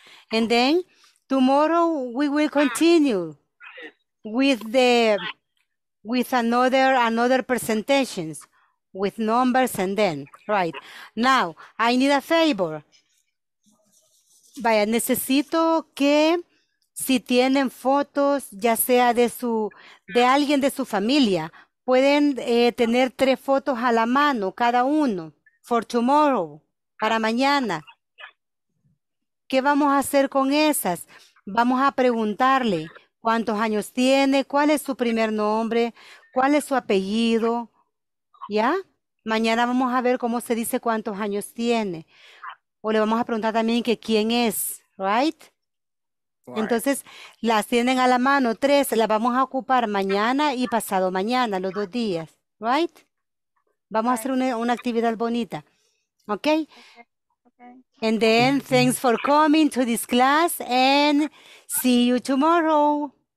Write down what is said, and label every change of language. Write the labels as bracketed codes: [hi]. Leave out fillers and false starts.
[en] And then, tomorrow we will continue with another presentations with numbers and then, right? Now, I need a favor. [es] Vaya, necesito que si tienen fotos, ya sea de alguien de su familia, pueden tener tres fotos a la mano, cada uno. [en] For tomorrow, [es] para mañana. ¿Qué vamos a hacer con esas? Vamos a preguntarle cuántos años tiene, cuál es su primer nombre, cuál es su apellido, ¿ya? Mañana vamos a ver cómo se dice cuántos años tiene. O le vamos a preguntar también que quién es, ¿right? Entonces, las tienen a la mano, tres, las vamos a ocupar mañana y pasado mañana, los dos días, ¿right? Vamos a hacer una actividad bonita. Okay? Okay. [en] And then, thanks for coming to this class and see you tomorrow.